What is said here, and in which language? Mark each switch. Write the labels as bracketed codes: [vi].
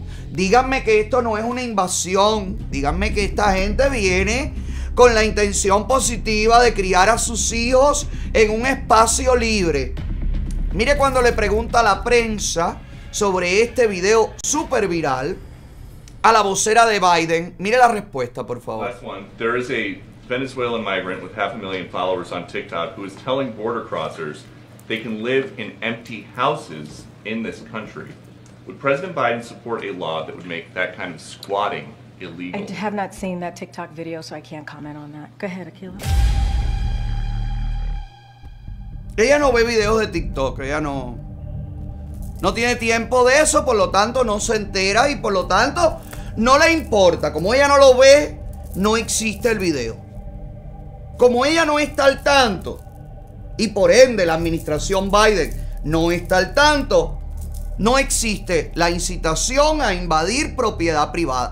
[es] Díganme que esto no es una invasión. Díganme que esta gente viene con la intención positiva de criar a sus hijos en un espacio libre. Mire cuando le pregunta a la prensa sobre este video super viral a la vocera de Biden. Mire la respuesta, por favor. [en] Venezuelan migrant with 500,000 followers on TikTok who is telling border crossers they can live in empty houses in this country. Would President Biden support a law that would make that kind of squatting illegal? I have not seen that TikTok video, so I can't comment on that. Go ahead, Aquila. [es] Ella no ve videos de TikTok, ella no tiene tiempo de eso, por lo tanto no se entera y por lo tanto no le importa. Como ella no lo ve, no existe el video. Como ella no está al tanto, y por ende la administración Biden no está al tanto, no existe la incitación a invadir propiedad privada.